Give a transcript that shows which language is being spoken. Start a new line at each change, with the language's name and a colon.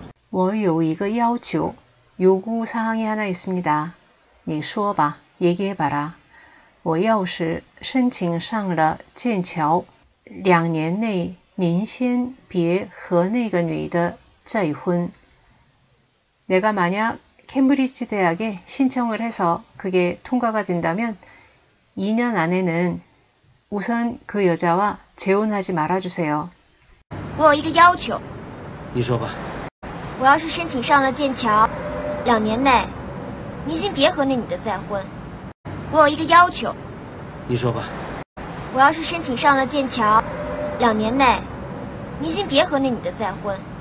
Chinese: 我有一个要求，
Korean: 요구사항이하나있습니다。
Chinese: 你说吧，
Korean: 얘기해봐라。
Chinese: 我要是申请上了剑桥，两年内您先别和那个女的再婚。
Korean: 내가만약 캠브리지 대학에 신청을 해서 그게 통과가 된다면 2년 안에는 우선 그 여자와 재혼하지 말아주세요.
Chinese: 我有一个要求，你说吧。我要是申请上了剑桥，两年内，您先别和那女的再婚。我有一个要求，你说吧。我要是申请上了剑桥，两年内，您先别和那女的再婚。